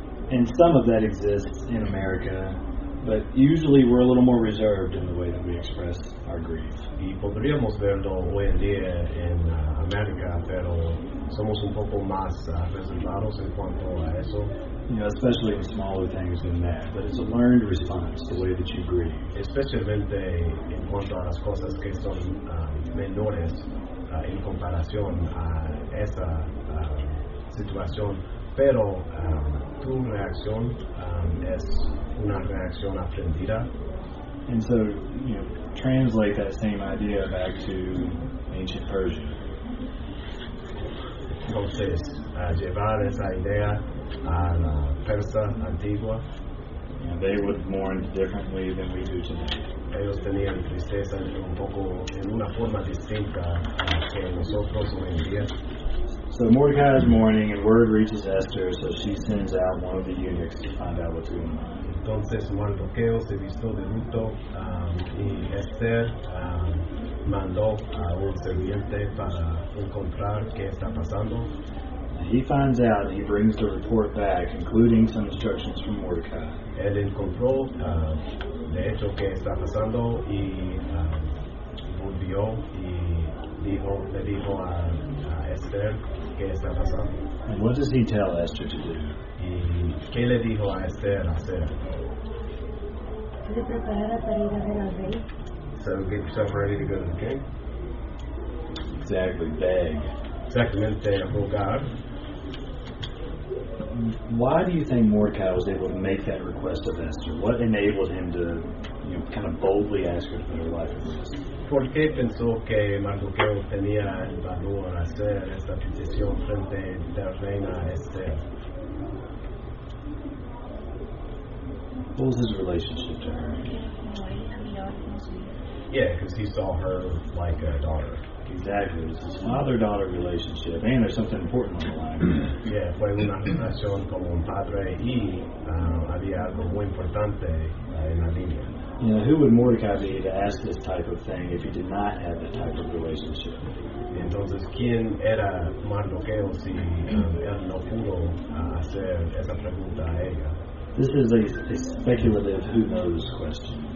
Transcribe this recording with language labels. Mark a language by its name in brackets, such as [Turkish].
[English] And some of that exists in America, but usually we're a little more reserved in the way that we express our grief. [Spanish] Y podríamos verlo hoy en día en América, pero somos un poco más reservados en cuanto a eso. [English] You know, especially in smaller things than that, but it's a learned response, the way that you grieve. [Spanish] Especialmente en cuanto a las cosas que son menores en comparación a esa situación. Pero tu reacción es una reacción aprendida. [English] And so, you know, translate that same idea back to ancient Persia. [Spanish] Entonces, llevar esa idea a la Persa antigua. [English] And they would mourn differently than we do today. [Spanish] Ellos tenían tristeza un poco en una forma distinta que nosotros hoy en día. [English] So Mordecai is mourning, and word reaches Esther, so she sends out one of the eunuchs to find out what's going on. [Spanish] Entonces Mordecai se vistió de luto, y Esther mandó a un sirviente para encontrar qué está pasando. [English] He finds out, and he brings the report back, including some instructions from Mordecai. [Spanish] Él encontró de hecho qué está pasando y volvió y le dijo a Esther qué está pasando. [English] And what does he tell Esther to do? [Spanish] Y qué le dijo a Esther hacer. Preparar para ir a ver al rey. [English] So get yourself ready to go to the king. Exactly, beg. [Spanish] Exactamente, rogar. [English] why do you think Mordecai was able to make that request of Esther? What enabled him to, you know, kind of boldly ask her to put her life at risk? [Spanish] ¿Por qué pensó que Mardoqueo tenía el valor hacer esta petición frente a la reina Esther? [English] What was his relationship to her? Yeah, because he saw her like a daughter. Exactly. It's his father-daughter relationship. And there's something important on the line. [Spanish] Yeah, fue una relación como un padre y había algo muy importante en la línea. [English] You know, who would Mordecai be to ask this type of thing if he did not have that type of relationship? [Spanish] Entonces, ¿quién era Mardoqueo si él no pudo hacer esa pregunta a ella? [English] This is a speculative who knows question.